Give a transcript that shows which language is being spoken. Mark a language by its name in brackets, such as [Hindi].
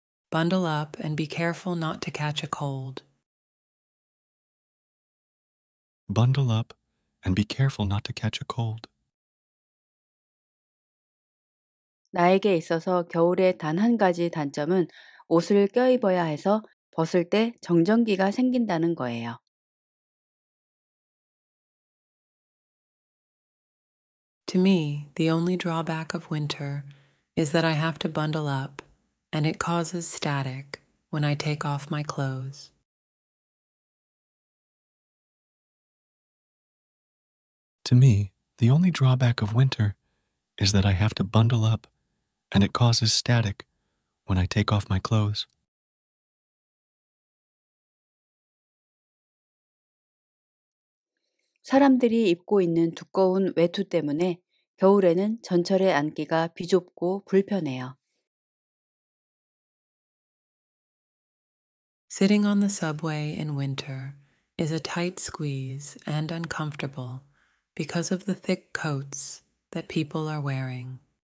[English] Bundle up and be careful not to catch a cold. Bundle up and be careful not to catch a cold. [Korean] 나에게 있어서 겨울의 단 한 가지 단점은 옷을 껴입어야 해서 벗을 때 정전기가 생긴다는 거예요. [English] To me, the only drawback of winter is that I have to bundle up, and it causes static when I take off my clothes. To me, the only drawback of winter is that I have to bundle up, and it causes static when I take off my clothes. Sitting [Korean] 사람들이 입고 있는 두꺼운 외투 때문에 겨울에는 전철에 앉기가 비좁고 불편해요. [English] Sitting on the subway in winter is a tight squeeze and uncomfortable because of the thick coats that people are wearing.